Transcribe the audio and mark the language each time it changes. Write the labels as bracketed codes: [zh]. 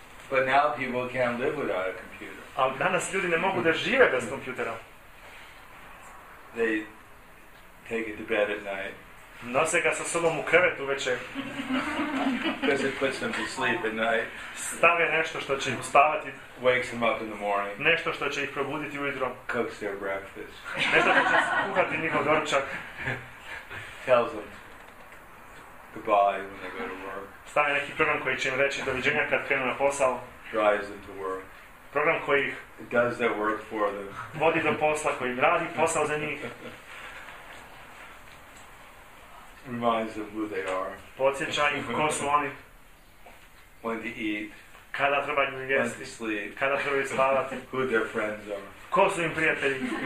[en] But now people can't live without a computer. [bs] Ali danas ljudi ne mogu da žive bez kompjutera. [en] They take it to bed at night. [bs] Nose ga sa sobom u krevet uveče. [en] Because it puts them to sleep at night. [bs] Stave nešto što će im spavati. [en] Wakes them up in the morning. [bs] Nešto što će ih probuditi ujutro. [en] Cooks their breakfast. [bs] Nešto što će kuhati njihov doručak. [en] Tells them goodbye when they go to work. [bs] Stave neki program koji će im reći doviđenja kad krenu na posao. [en] Drives them to work. [bs] Program koji [en] does their work for them. [bs] Vodi do posla, koji im radi posao za njih. [en] Reminds them who they are. [bs] Podsjeća ih ko su oni. [en] When to eat. [bs] Kada trebaju jesti. [en] When to sleep. [bs] Kada trebaju spavati. [en] Who their friends are. [bs] Ko su im prijatelji.